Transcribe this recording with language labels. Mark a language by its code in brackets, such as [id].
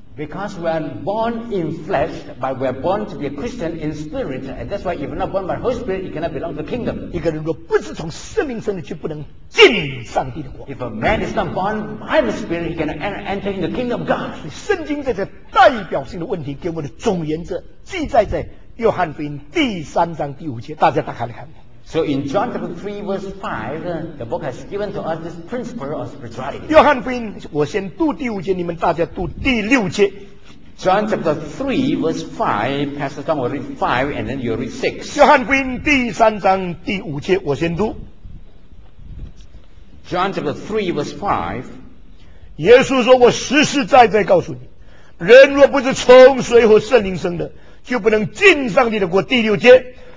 [en] Because we are born in flesh, but we are born to be a Christian in spirit, and that's why if you're not born by Holy Spirit, you cannot belong to the kingdom. [zh] 一个人若不是从圣灵生的，就不能进上帝的国。 [en] If a man is not born by the Spirit, he cannot enter in the kingdom of God. [zh] 圣经这些代表性的问题给我们的总原则记载在约翰福音第三章第五节，大家打开来看。 [en] So in John chapter 3 verse 5, the book has given to us this principle of spirituality. [zh] 约翰福音，我先读第五节，你们大家读第六节。 [en] John chapter 3 verse 5, Pastor John will read 5 and then you read 6. [zh] 约翰福音第三章第五节，我先读。 [en] John chapter 3 verse 5, [zh] 耶稣说，我实实在在告诉你，人若不是从水和圣灵生的，就不能进上帝的国。第六节。